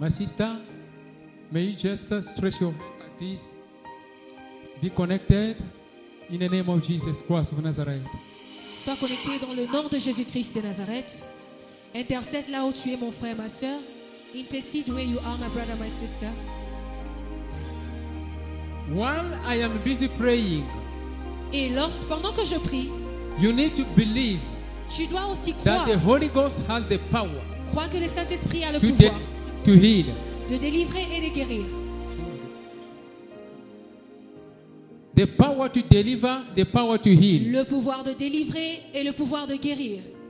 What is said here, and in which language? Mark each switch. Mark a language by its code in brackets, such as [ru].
[en] My sister, may you just stretch your hand like this. Be connected in the name of Jesus Christ of Nazareth. [fr] Sois connecté dans le nom de Jésus Christ de Nazareth. Intercède là où tu es, mon frère, ma soeur. [en] Intercede where you are, my brother, my sister. While I am busy praying, [fr] et lorsque, pendant que je prie, [en] you need to believe, [fr] tu dois aussi croire, [en] that the Holy Ghost has the power, [fr] crois que le Saint-Esprit a le [en] to [fr] pouvoir, [en] to heal, [fr] de délivrer et de guérir, [en] the power to deliver, the power to heal, [fr] le pouvoir de délivrer et le pouvoir de guérir.